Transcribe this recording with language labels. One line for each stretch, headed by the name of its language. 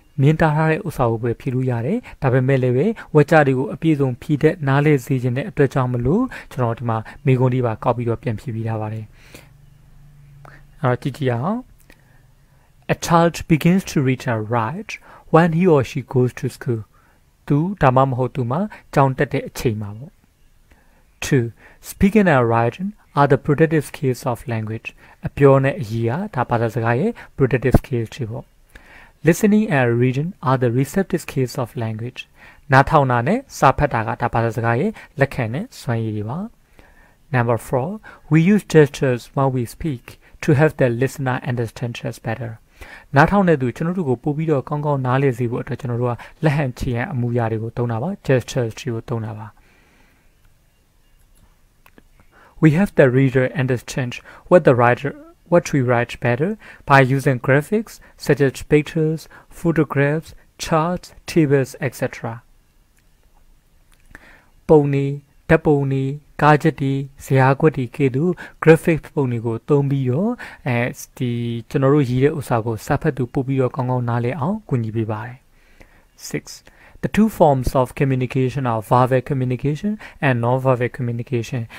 Burmese: မြင်တာရတဲ့ဥစ္စာကိုပဲဖြစ်လို့ရတယ်ဒါပေမဲ့လည်းပဲဝကြတွေကိုအပြည့်စုံဖြီးတဲ့နားလေစီခြင်းတဲ့အတွက်ကြောင့်မလို့ကျွန်တော်ဒီမှာမိကုန်ဒီပါကောက်ပြီးတော့ပြန်ဖြီးပြထားပါတယ်အဲ့တော့ကြည့်ကြည့်အောင်
English: A child begins to read and write when he or she goes to school
Burmese: သူဒါမှမဟုတ်သူမှကျောင်းတက်တဲ့အချိန်မှာပေါ့ 2.
English: Speaking and writing are the productive skills of language
Burmese: အပြောနဲ့အရေးကဒါဘာသာစကားရဲ့
English: productive skills တွေပေါ့Listening and reading are the receptive skills of language.
Burmese: နားထောင်တာနဲ့စာဖတ်တာကဒါဘာသာစကားရဲ့လက်ခံနဲ့စွမ်းရည်တွေပါ.
English: Number 4. We use gestures while we speak to help the listener understand us better.
Burmese: နားထောင်တဲ့သူကျွန်တော်တို့ကိုပို့ပြီးတော့ကောင်းကောင်းနားလည်စေဖို့အတွက်ကျွန်တော်တို့ကလက်ဟန်ချေရန်အမူအရာတွေကိုသုံးတာပါ. gestures တွေကိုသုံးတာပါ.
English: We help the reader understand what the writer What we write better by using graphics such as pictures, photographs, charts, tables, etc.
Burmese: ပုံနေ၊ဓာတ်ပုံနေ၊ကားချက်တီ၊ဇာတ်ကွက်တီကဲ့သို့ graphics ပုံတွေကိုသုံးပြီးတော့အဲဒီကျွန်တော်တို့ရေးတဲ့ဥစ္စာကိုစာဖတ်သူပို့ပြီးတော့ကောင်းကောင်းနားလည်အောင်ကူညီပေးပါတယ်6
English: The two forms of communication are verbal communication and non-verbal communication.